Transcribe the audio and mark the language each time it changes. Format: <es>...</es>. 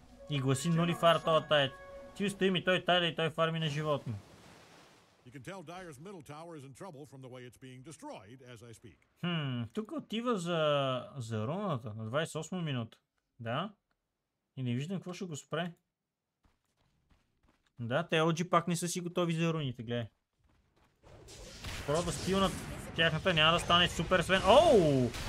<bg>И гласи нули фар това тайт. Ти стои ми той тайда и той фарми на животно.</bg> <en>You can tell Dire's middle tower is in trouble from the way it's being destroyed as I speak.</en> <bg>Тук отива за руната на 28 минута. Да? И не виждам какво ще го спре. Да, те OG пак не са си готови за руните, гледай. Проба стилнат тяхната, няма да стане супер Свен. Оу!</bg>